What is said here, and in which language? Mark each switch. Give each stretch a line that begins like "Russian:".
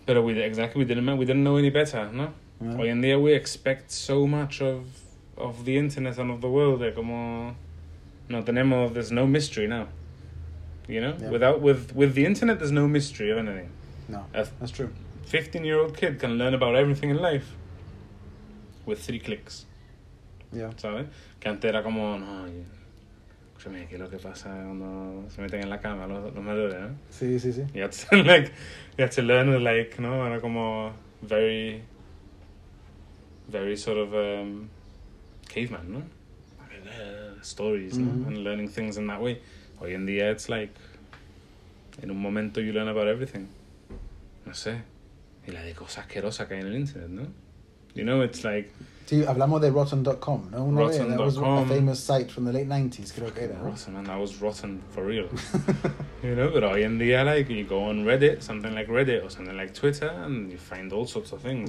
English: Pero we didn't know any better, no?
Spanish: Hoy en día
English: we expect so much of the internet and of the world,
Spanish: de como, no tenemos,
English: there's no mystery now. You know, yeah. with the internet, there's no mystery of anything. No, that's true. 15-year-old kid can learn about everything in life with 3 clicks. Yeah.
Spanish: ¿Sabes? Que antes era como, no, escúchame, ¿qué es lo que pasa cuando se meten en la cama los mayores, ¿no? Sí, sí, sí.
English: You had to learn, like, ¿no?
Spanish: Era como
English: very, very sort of caveman, ¿no? Stories, mm-hmm. ¿no? And learning things in that way.
Spanish: Hoy en día,
English: it's like, in
Spanish: un momento
English: you learn about everything.
Spanish: No sé. Y la de cosas asquerosas que hay en el internet, ¿no?
English: You know, it's like...
Spanish: Sí, hablamos de Rotten.com, ¿no?
English: Rotten.com. That was a famous site from the late 90s,
Spanish: creo que era.
English: Rotten, man, that was rotten for real. You know, but
Spanish: hoy en día,
English: like, you go on Reddit, something like Reddit, or something like Twitter, and you find all sorts of things,